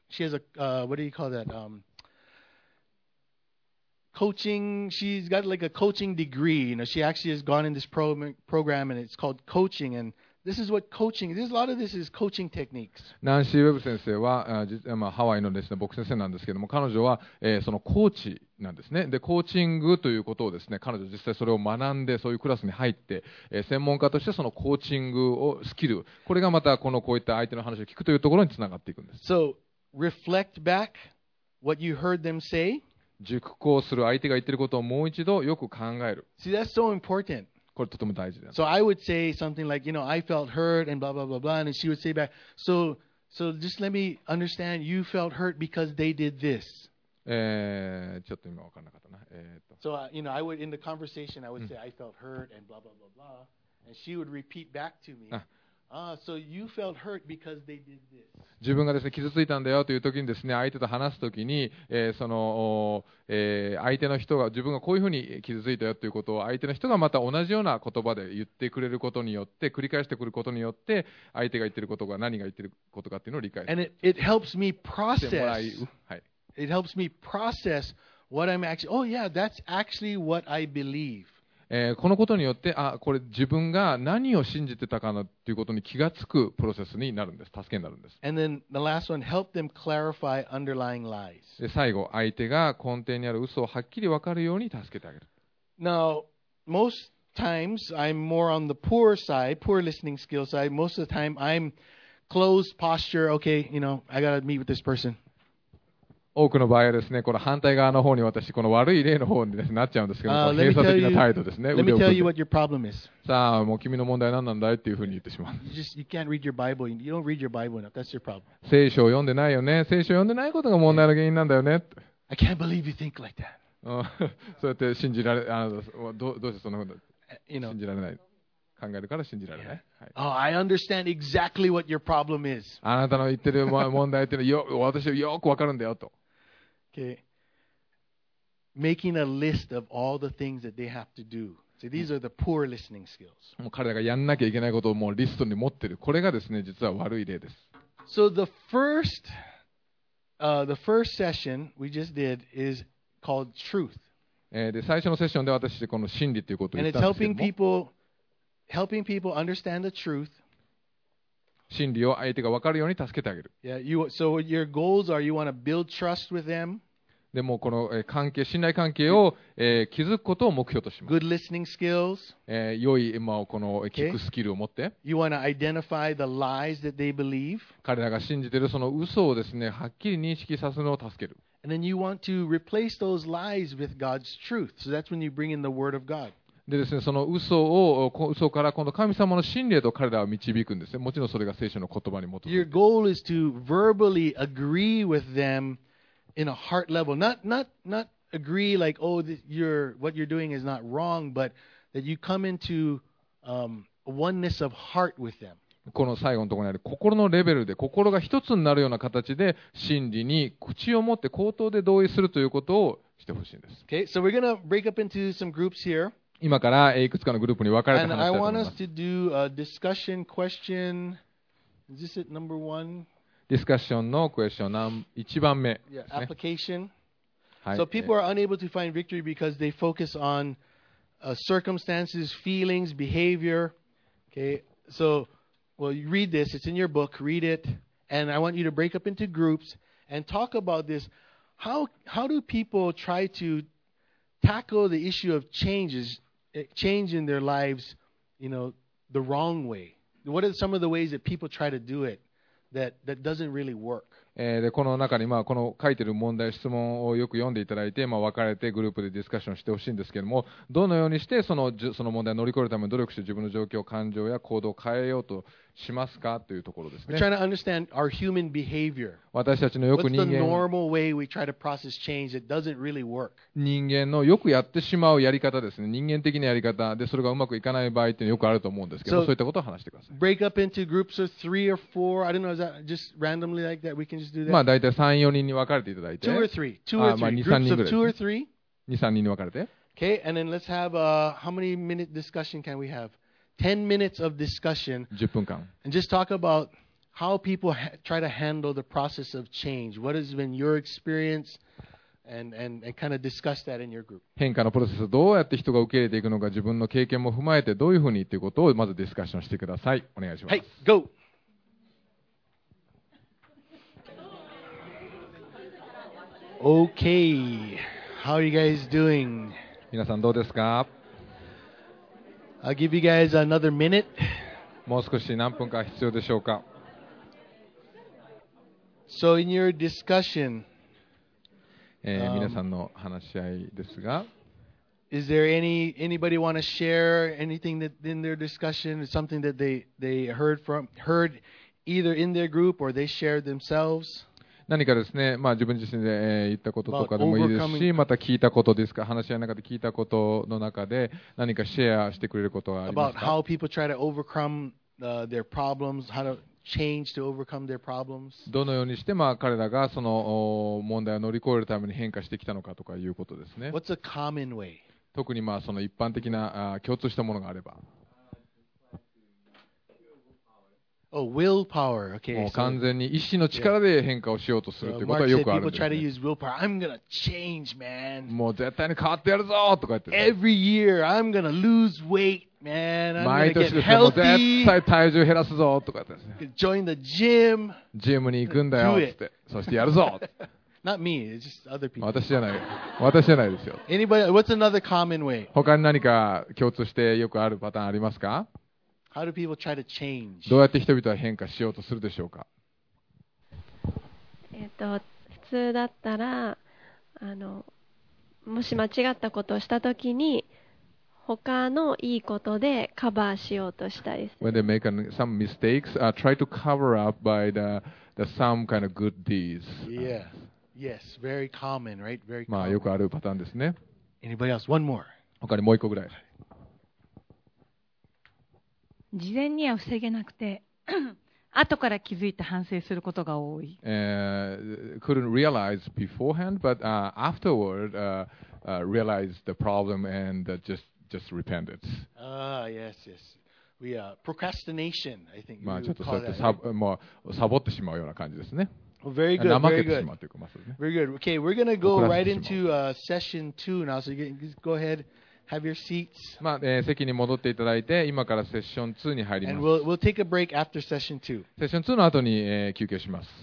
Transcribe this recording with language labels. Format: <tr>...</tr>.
<en>She has a, what do you call that? Coaching, she's got like a coaching degree. You know, she actually has gone in this program and it's called coaching and... This is what coaching. There's a lot of this is coaching techniques.</en> <ja>ナンシー・ウェブ先生は、まあ、ハワイのですね、牧師先生なんですけども、彼女は、そのコーチなんですね。で、コーチングということをですね、彼女実際それを学んで、そういうクラスに入って、専門家としてそのコーチングをスキル、これがまたこのこういった相手の話を聞くというところにつながっていくんです。</ja> <en>So, reflect back what you heard them say.</en> <ja>熟考する相手が言ってることをもう一度よく考える。</ja> <en>See, that's so important.</en> <ja>これとても大事だ。</ja> <en>So I would say something like, you know, I felt hurt and blah, blah, blah, blah. And she would say back, so just let me understand, you felt hurt because they did this.</en> <ja>ちょっと今分からなかったな。</ja> <en>So, you know, I would, in the conversation, I would say, I felt hurt and blah, blah, blah, blah. And she would repeat back to me, so you felt hurt because they did this.</en> <ja>自分がですね、傷ついたんだよという時にですね、相手と話す時に、その、相手の人が自分がこういうふうに傷ついたよということを相手の人がまた同じような言葉で言ってくれることによって繰り返してくることによって相手が言ってることが何が言ってることかっていうのを理解する。</ja> <en>And it helps me process. It helps me process what I'm actually. Oh yeah, that's actually what I believe.</en> <ja>このことによって、あ、これ自分が何を信じてたかなということに気がつくプロセスになるんです。助けになるんです。</ja> <en>And then the last one, help them clarify underlying lies.</en> <ja>で、最後、相手が根底にある嘘をはっきり分かるように助けてあげる。</ja> <en>Now, most times I'm more on the poor side, poor listening skill side. Most of the time I'm closed posture, okay, you know, I gotta meet with this person.</en> <ja>多くの場合はですね、この反対側の方に私、この悪い例の方に、ね、なっちゃうんですけども、閉鎖的な態度ですね。</ja> <en>Let me tell you what your problem is.</en> <ja>さあ、もう君の問題は何なんだいっていうふうに言ってしまう。</ja> <en>You can't read your Bible. You don't read your Bible enough. That's your problem.</en> <ja>聖書を読んでないよね。聖書を読んでないことが問題の原因なんだよね。</ja> <en>I can't believe you think like that.</en> <ja>そうやって信じられ、どうしてそんなこと信じられない。考えるから信じられない。</ja> <en>Yeah. Oh, I understand exactly what your problem is.</en> <ja>あなたの言ってる問題っていうのはよ、私はよくわかるんだよと。</ja> <en>Okay. Making a list of all the things that they have to do. See, these are the poor listening skills.</en> <ja>もう彼らがやんなきゃいけないことをもうリストに持ってる。これがですね、実は悪い例です。</ja> <en>So the first session we just did is called truth.</en> <ja>で、最初のセッションで私この真理ということを言ったんですけども。</ja> <en>And it's helping people understand the truth.</en> <ja>真理を相手が分かるように助けてあげる。</ja> <en>Yeah, you, so your goals are you want to build trust with them.</en> <ja>でもこの関係、信頼関係を、築くことを目標とします。</ja> <en>Good listening skills.</en> <ja>良い、まあ、この聞くスキルを持って。</ja> <en>Okay. You want to identify the lies that they believe.</en> <ja>彼らが信じているその嘘をですね、はっきり認識させるのを助ける。</ja> <en>And then you want to replace those lies with God's truth. So that's when you bring in the word of God.</en> <ja>でですね、その嘘から今度神様の真理へと彼らは導くんですね。もちろんそれが聖書の言葉に基づいて。</ja> <en>Your goal is to verbally agree with them in a heart level. Not agree like, oh, what you're doing is not wrong, but that you come into oneness of heart with them.</en> <ja>この最後のところにある心のレベルで心が一つになるような形で真理に口を持って口頭で同意するということをしてほしいんです。</ja> <en>Okay, so we're gonna break up into some groups here.</en> <ja>今からいくつかのグループに分かれて話したいと思います。</ja> <en>And I want us to do a discussion question. Is this it number one?</en> <ja>Discussion のクエスチョン、一番目ですね。</ja> <en>Yeah, application. はい。 So people are unable to find victory because they focus on circumstances, feelings, behavior. Okay. So, well, you read this. It's in your book. Read it. And I want you to break up into groups and talk about this. How do people try to... Tackle the issue of change in their lives, you know, the wrong way. What are some of the ways that people try to do it that doesn't really work?</en> <ja>でこの中に、まあ、この書いている問題、質問をよく読んでいただいて、まあ、分かれてグループでディスカッションしてほしいんですけれども、どのようにしてその問題を乗り越えるために努力して自分の状況、感情や行動を変えようとしますかというところですね。</ja> <en>We're trying to understand our human behavior.</en> <ja>私たちのよく人間</ja> <en>What's the normal way we try to process change that doesn't really work?</en> <ja>人間のよくやってしまうやり方ですね。人間的なやり方で、それがうまくいかない場合っていうのはよくあると思うんですけど、</ja> <en>so、</en> <ja>そういったことを話してください。</ja> <en>Break up into groups of three or four. I don't know, is that just randomly like that? We can just do that.</en> <ja>まあ、大体3、4人に分かれていただいて。</ja> <en>Two or three. Two or three.</en> <ja>まあ、2、3人ぐらいですね。</ja> <en>Groups of two or three.</en> <ja>2、3人に分かれて。</ja> <en>Okay, and then let's have a... How many minute discussion can we have? 10 minutes of discussion.</en> <ja>10分間。</ja> <en>And just talk about how people try to handle the process of change. What has been your experience? And kind of discuss that in your group.</en> <ja>変化のプロセスをどうやって人が受け入れていくのか、自分の経験も踏まえてどういうふうにということをまずディスカッションしてください。お願いします。はい、Go!</ja> <en>Okay. How are you guys doing?</en> <ja>皆さんどうですか?</ja> <en>I'll give you guys another minute.</en> <ja>もう少し何分か必要でしょうか?</ja> <en>So in your discussion,</en> <ja>皆さんの話し合いですが、</ja> <en>is there anybody want to share anything that in their discussion, something that they heard either in their group or they shared themselves?</en> <ja>何かですね、まあ、自分自身で言ったこととかでもいいですし、また聞いたことですか、話し合いの中で聞いたことの中で何かシェアしてくれることはありますか</ja> <en>About how people try to overcome their problems, how to change to overcome their problems.</en> <ja>どのようにして、まあ、彼らがその問題を乗り越えるために変化してきたのかとかいうことですね。</ja> <en>What's a common way?</en> <ja>特にまあその一般的な共通したものがあれば。</ja> <en>Oh, willpower. Okay.</en> <ja>もう完全に意志の力で変化をしようとするということはよくあるんですね。</ja> <en>People try to use willpower. I'm gonna change, man.</en> <ja>もう絶対に変わってやるぞとか言って。</ja> <en>Every year, I'm gonna lose weight, man. I'm gonna get healthy.</en> <ja>毎年ですね、もう絶対体重減らすぞとか言って。</ja> <en>Join the gym.</en> <ja>ジムに行くんだよつって。そしてやるぞ。</ja> <en>Not me. It's just other people.</en> <ja>私じゃない。私じゃないですよ。</ja> <en>Anybody? What's another common way?</en> <ja>他に何か共通してよくあるパターンありますか？</ja> <en>How do people try to change?</en> <ja>どうやって人々は変化しようとするでしょうか。普通だったらもし間違ったことをしたときに他のいいことでカバーしようとしたりする。</ja> <en>When they make some mistakes, try to cover up by the some kind of good deeds. Yes, yes, very common, right? Very</en> <ja>common. まあよくあるパターンですね。</ja> <en>Anybody else? One more.</en> <ja>他にもう一個ぐらい。事前には防げなくて後から気づいて反省することが多い。</ja> <en>Couldn't realize beforehand, but afterward realized the problem and just repented. Yes, yes. We are procrastination, I think you call that.</en> <ja>まあ、サボってしまうような感じですね。</ja> <en>Well, very good, very good.</en> <ja>怠けてしまうというか、まあ、</ja> <en>Very good. Okay, we're going to go right into session two now, so you can just go ahead. Have your seats.</en> <ja>まあ席に戻っていただいて、今からセッション2に入ります。</ja> <en>And we'll take a break after session 2.</en> <ja>セッション2の後に休憩します。</ja>